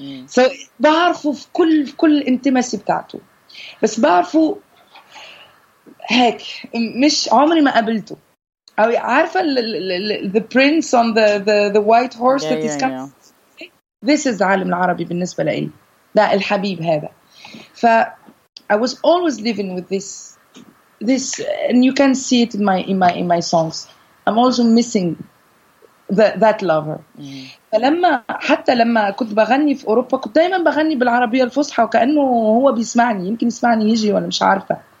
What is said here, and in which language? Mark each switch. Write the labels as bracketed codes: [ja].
[ar] So بعرفه في كل انتماسي بتاعته، بس بعرفه هيك، مش عمري ما قابلته. أو عارفة [en] the prince on the white horse that is coming. This is [ar] عالم العربي بالنسبة لي، ده الحبيب هذا. [en] ف I was always living with this and you can see it in my songs. I'm also missing that lover. [ar] فلما حتى لما كنت بغني في أوروبا كنت دائما بغني بالعربية الفصحى وكأنه هو بيسمعني، يمكن يسمعني يجي وأنا مش عارفة.